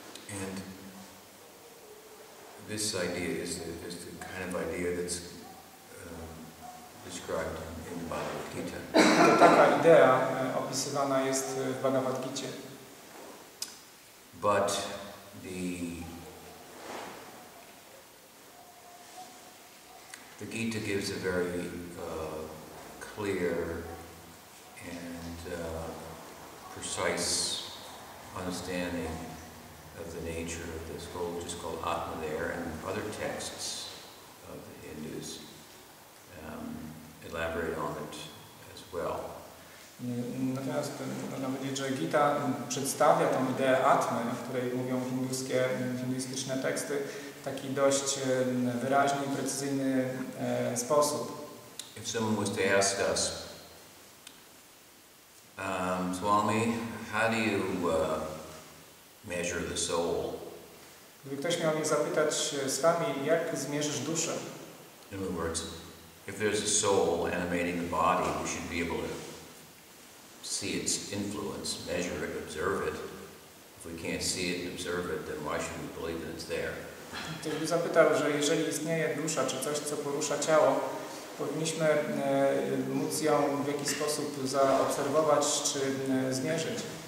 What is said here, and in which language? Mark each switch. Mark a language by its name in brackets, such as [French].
[English] And this idea is the kind of idea that's described in the Bhagavad Gita. [Polish] To taka idea opisywana jest w Bhagavad Gita. [English] But the Gita gives a very clear and precise understanding of the nature of this whole, which is called Atma there, and other texts of the Hindus elaborate on it as well. [Polish] Natomiast można powiedzieć, że Gita przedstawia tą ideę Atmy, o której mówią hinduistyczne teksty, w taki dość wyraźny i precyzyjny sposób. [English] If someone was to ask us, Swami, how do you measure the soul? [Polish] Gdyby ktoś miał mnie zapytać, Swami, jak zmierzysz duszę? [English] In other words, if there's a soul animating the body, we should be able to see its influence, measure it, observe it. If we can't see it and observe it, then why should we believe that it's there? [Polish] Gdybym zapytał, że jeżeli istnieje dusza, czy coś, co porusza ciało, powinniśmy móc ją w jakiś sposób zaobserwować, czy zmierzyć.